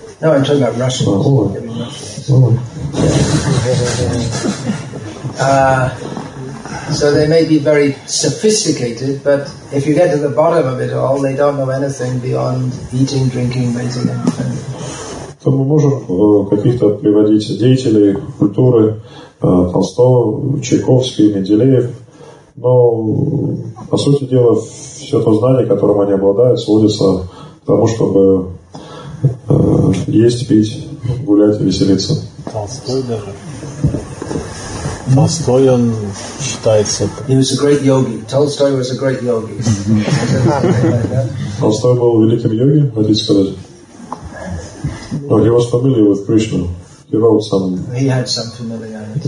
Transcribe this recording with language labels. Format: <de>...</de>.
<en>No, I'm talking about Russians. So they may be very sophisticated, but if you get to the bottom of it all, they don't know anything beyond eating, drinking, bathing, and</en> <ru>то мы можем каких-то приводить деятелей культуры, Толстого, Чайковский, Менделеев, но, по сути дела, все то знание, которым они обладают, сводится к тому, чтобы есть, пить, гулять и веселиться. Толстой даже. Толстой, он считается...</ru> <en>He was a great yogi. Толстой was a great yogi.</en> <ru>Толстой был великим йоги, хотите сказать?</ru> <en>No, he was familiar with Krishna. He wrote some... He had some familiarity.</en>